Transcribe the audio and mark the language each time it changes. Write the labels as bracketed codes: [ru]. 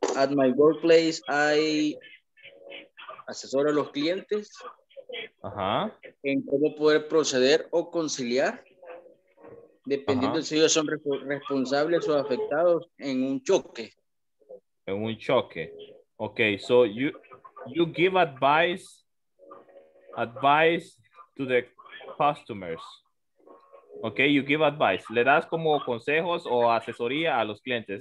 [en] At my workplace, I [es] asesoro a los clientes. Uh-huh. En cómo poder proceder o conciliar, dependiendo uh-huh. si ellos son responsables o afectados en un choque. En un choque. [en] Okay, so you give advice to the customers. Okay, you give advice. [es] Le das como consejos o asesoría a los clientes.